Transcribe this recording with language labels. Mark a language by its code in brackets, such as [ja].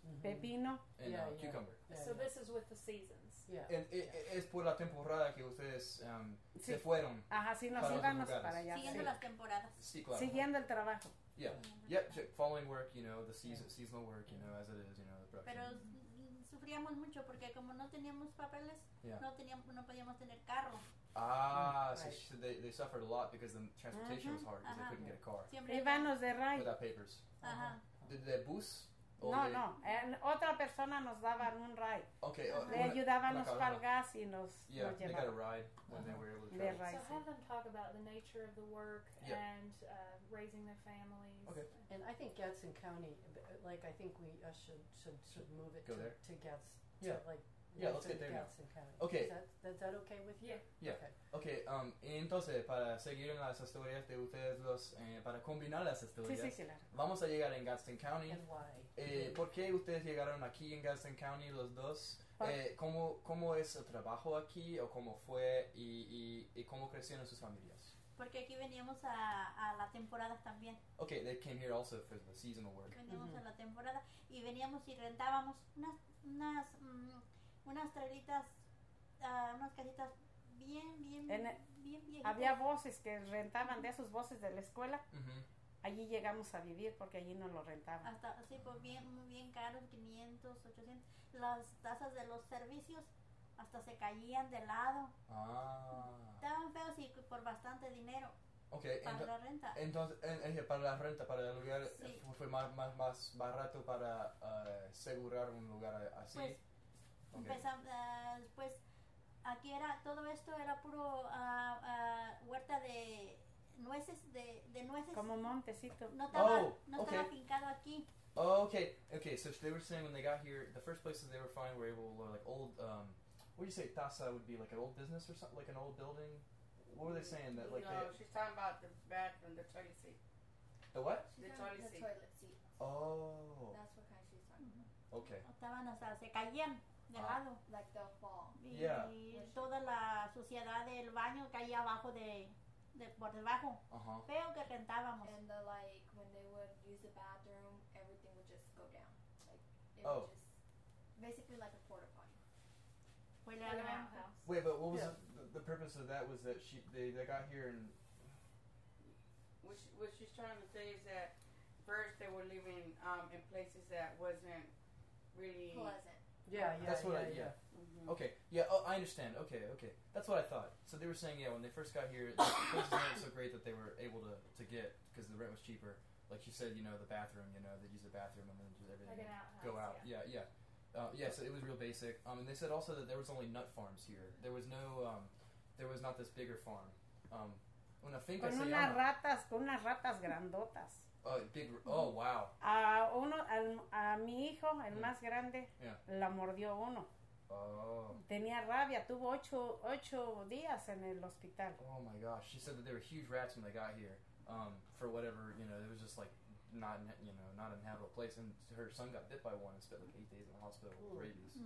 [es] Mm-hmm. Pepino. [en] And cucumber. Yeah, so this is with the seasons. Yeah. [es] And es por la temporada que ustedes se fueron. Ajá, sí, nos íbamos para allá. Siguiendo las temporadas. Sí, claro. Siguiendo el trabajo. [en] Yeah. Yeah, following work, you know, the seasonal work, you know, as it is, you know, the production. [es] Pero sufríamos mucho porque como no teníamos papeles, no podíamos tener carro. Ah, [en] right. So they suffered a lot because the transportation uh-huh. was hard because uh-huh. they couldn't get a car. [es] Siempre Ivanos de Ray. [en] Without papers. Uh-huh. Did they bus? No, they [es] no. Otra persona nos daba un ride. [en] Okay. [es] Le ayudábamos para el gas y nos llevaba. [en] Yeah, they got a ride when they were able to travel. Ride, so have them talk about the nature of the work yeah. and raising their families. Okay. And I think Gadsden County, like, I think we should move it go to there? To Gadsden. Yeah. To, like, yeah, let's get there now. Okay. Is that okay with you? Yeah. Okay. Okay. [es] Entonces, para seguir en las historias de ustedes dos, para combinar las historias, sí, claro. Vamos a llegar en Gadsden County. [en] And why? [es] ¿Por qué ustedes llegaron aquí en Gadsden County, los dos? ¿Cómo es el trabajo aquí o cómo fue y cómo crecieron sus familias? Porque aquí veníamos a la temporada también. [en] Okay, they came here also for the seasonal work. [es] Veníamos mm-hmm. a la temporada y veníamos y rentábamos unas trailitas, unas casitas bien viejitas. Había voces que rentaban de esos voces de la escuela. Uh-huh. Allí llegamos a vivir porque allí no lo rentaban. Hasta, sí, pues bien, bien caros, 500, 800. Las tazas de los servicios hasta se caían de lado. Ah. Estaban feos y por bastante dinero. [en] Ok, [es] para la renta. Entonces, para la renta, para el lugar, sí. fue más barato para asegurar un lugar así. Pues, [en] okay. [es] Empezamos, pues aquí era todo esto era puro huerta de nueces de nueces como montecito no estaba fincado aquí. [en] Oh, okay, so they were saying when they got here the first places they were finding were able to, like old what do you say Taza would be like an old business or something like an old building, what were they saying that like no they, she's talking about the bathroom, the toilet seat, the what she's the toilet seat. Oh, that's what kind she's talking about. Okay, [es] estaban hasta se caían. [en] Like the fall. Yeah. [es] Y toda la suciedad del baño caía abajo de por debajo. Uh-huh. Feo que rentábamos. [en] And the, like, when they would use the bathroom, everything would just go down. Basically like a porta potty. Well, house. Wait, but what was yeah. the purpose of that was that they got here and... What she's trying to say is that first they were living in places that wasn't really... pleasant. Yeah. That's what yeah. Mm-hmm. Okay. Yeah, oh, I understand. Okay. That's what I thought. So they were saying, yeah, when they first got here, the places weren't so great that they were able to get, because the rent was cheaper. Like you said, you know, the bathroom, you know, they'd use the bathroom and then just everything. Like an outhouse, go out. Yeah. Yeah. Yeah, so it was real basic. And they said also that there was only nut farms here. There was no, there was not this bigger farm. [es] Una finca con unas ratas, grandotas. [en] Big, oh wow. [es] A mi hijo, el más grande, [en] yeah. [es] la mordió uno. Oh. Tenía rabia, tuvo ocho días en el hospital. [en] Oh my gosh, she said that there were huge rats when they got here. For whatever, you know, it was just like not an inhabitable place, and her son got bit by one and spent like 8 days in the hospital with rabies.